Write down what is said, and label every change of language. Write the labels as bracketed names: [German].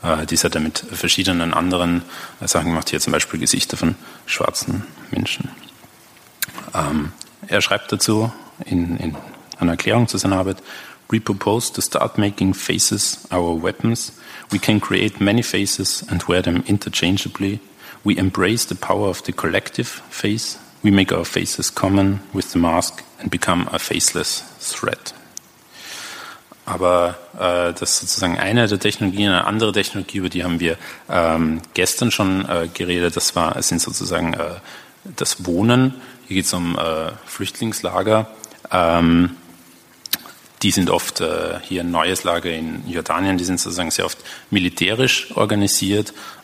[German] Dies hat er mit verschiedenen anderen Sachen gemacht, hier zum Beispiel Gesichter von schwarzen Menschen. Er schreibt dazu in einer Erklärung zu seiner Arbeit: [English] "We propose to start making faces our weapons. We can create many faces and wear them interchangeably. We embrace the power of the collective face. We make our faces common with the mask and become a faceless threat." [German] Aber das ist sozusagen eine der Technologien. Eine andere Technologie, über die haben wir gestern schon geredet, sind sozusagen das Wohnen. Hier geht es um Flüchtlingslager. Die sind oft hier ein neues Lager in Jordanien, die sind sozusagen sehr oft militärisch organisiert.